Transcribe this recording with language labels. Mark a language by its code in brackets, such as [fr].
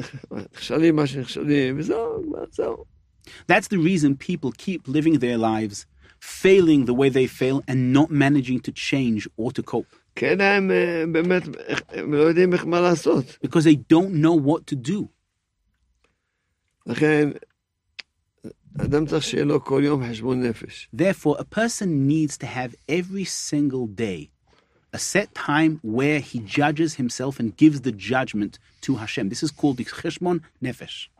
[he] נכשלים מה שנכשלים, וזהו, וזהו. [en] That's the reason people keep living their lives, failing the way they fail, and not managing to change or to cope. [he] כן, הם באמת, הם לא יודעים איך מה לעשות. [en] Because they don't know what to do. [he] לכן, אדם צריך שיהיה לו כל יום חשבון נפש. [en] Therefore, a person needs to have every single day a set time where he judges himself and gives the judgment to Hashem. This is called the Cheshbon Nefesh.